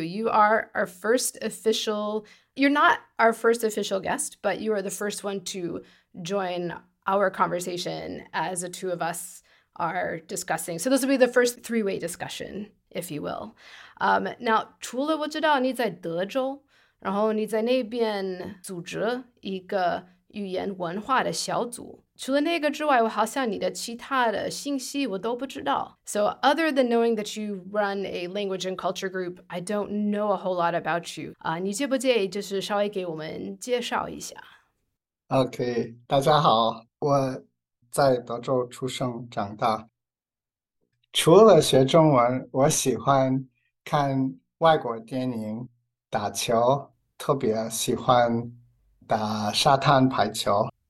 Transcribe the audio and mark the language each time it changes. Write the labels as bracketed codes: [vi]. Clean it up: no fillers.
[en] You are our first official, you're not our first official guest, but you are the first one to join our conversation as the two of us are discussing. So this will be the first three-way discussion, if you will. [zh] Now, 除了我知道你在德州，然后你在那边组织一个语言文化的小组，除了那个之外，我好像你的其他的信息我都不知道。 [en] So other than knowing that you run a language and culture group, I don't know a whole lot about you. [zh] 你介不介意就是稍微给我们介绍一下？OK, 大家好，我在德州出生长大。除了学中文，我喜欢看外国电影、打球，特别喜欢打沙滩排球。